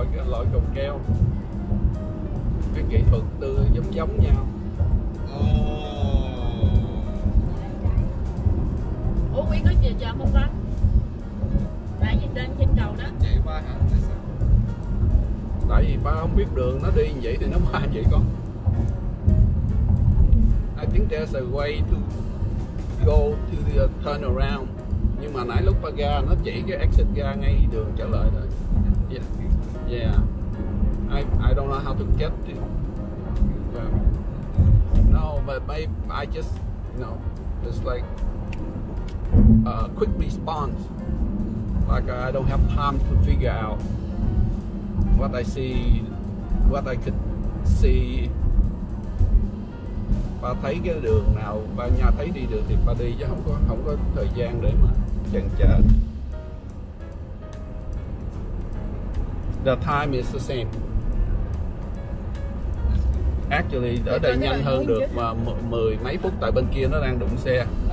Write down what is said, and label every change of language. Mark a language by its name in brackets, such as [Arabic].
[Vietnamese] Loại cầu keo, cái kỹ thuật từ giống giống nhau. Oh. Ủa, Quý có chờ chờ không con? Tại vì trên trên cầu đó. Vậy ba hả? Tại vì ba không biết đường, nó đi vậy thì nó qua vậy con. [English] I think there's a way to go to the turn around. [Vietnamese] Nhưng mà nãy lúc ba ra nó chỉ cái exit ra ngay đường trở lại thôi. [English] Yeah, I don't know how to get it. No, but maybe I just, you know, it's like a quick response. Like I don't have time to figure out what I see, what I could see. [Vietnamese] Bà thấy cái đường nào, bà nhà thấy đi được thì bà đi, chứ không có thời gian để mà chần chờ. [English] The time is the same. [Vietnamese] Actually, ở đây nhanh hơn được mà mười mấy phút, tại bên kia nó đang đụng xe.